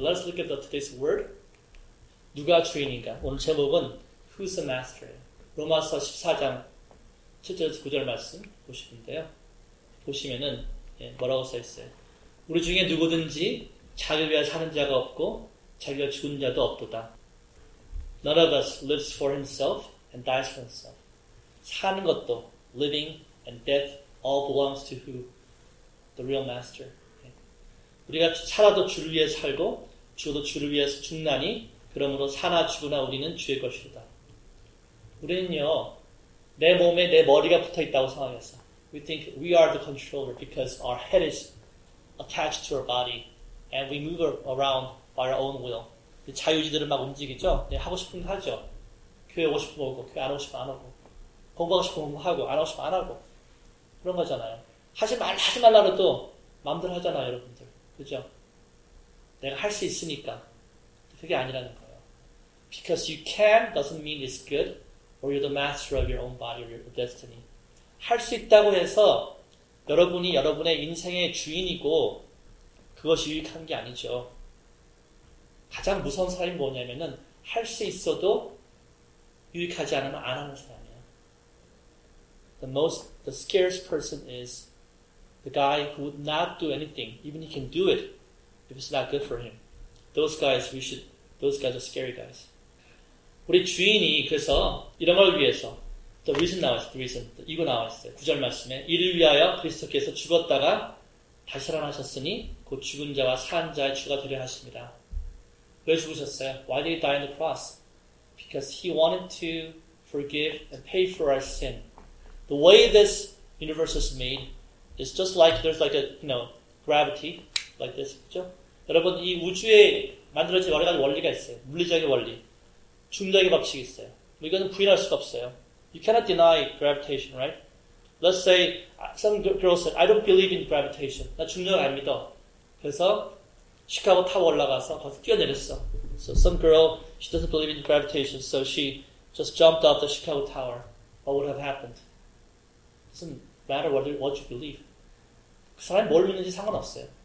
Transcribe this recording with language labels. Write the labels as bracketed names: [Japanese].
[English] Let's look at today's word. [Korean] 누가 주인인가? 오늘 제목은 [English] Who's the Master? [Korean] 로마서 14장 7절에서 9절 말씀 보시는데요. 보시면은 뭐라고 써있어요? 우리 중에 누구든지 자기를 위해 사는 자가 없고 자기가 죽은 자도 없도다. [English] None of us lives for himself and dies for himself. [Korean] 사는 것도 [English] living and death all belongs to who? The real master. [Korean] 우리가 살아도 주를 위해 살고 죽어도 주를 위해서 죽나니 그러므로 사나 죽으나 우리는 주의 것이다. 우리는요 내 몸에 내 머리가 붙어있다고 생각했어. [English] We think we are the controller because our head is attached to our body. And we move around by our own will. [Korean] 자유지들은 막 움직이죠? 네, 하고 싶은 거 하죠? 교회 오고 싶으면 오고, 교회 안 오고 싶으면 안 오고, 공부하고 싶으면 공부하고, 안 오고 싶으면 안 하고. 그런 거잖아요. 하지 말라 해도 마음대로 하잖아요, 여러분들. 그죠? 내가 할 수 있으니까. 그게 아니라는 거예요. [English] Because you can doesn't mean it's good or you're the master of your own body or your destiny. [Korean] 할 수 있다고 해서 여러분이 여러분의 인생의 주인이고, 그것이 유익한 게 아니죠. 가장 무서운 사람이 뭐냐면은 할 수 있어도 유익하지 않으면 안 하는 사람이에요. [English] The scariest person is the guy who would not do anything, even he can do it if it's not good for him. Those guys are scary guys. [Korean] 우리 주인이 그래서 이런 걸 위해서 [English] the reason 나왔어요. [Korean] The reason 이거 나왔어요. 구절 말씀에 이를 위하여 그리스도께서 죽었다가 다시 살아나셨으니 곧 죽은 자와 산 자의 주가 되려 하십니다. 왜 죽으셨어요? [English] Why did he die on the cross? Because he wanted to forgive and pay for our sin. The way this universe is made is just like there's like a, you know, gravity like this. [Korean] 그렇죠? 여러분, 이 우주에 만들어진 여러 가지 원리가 있어요. 물리적인 원리. 죽은 자의 법칙이 있어요. 뭐 이거는 부인할 수가 없어요. [English] You cannot deny gravitation, right? Let's say some girl said, I don't believe in gravitation. [Korean] 나 중력 안 믿어. 그래서 시카고 타워 올라가서 거기서 뛰어내렸어. [English] So some girl, she doesn't believe in gravitation, so she just jumped off the Chicago Tower. What would have happened? Doesn't matter what you believe. [Korean] 그 사람이 뭘 믿는지 상관없어요.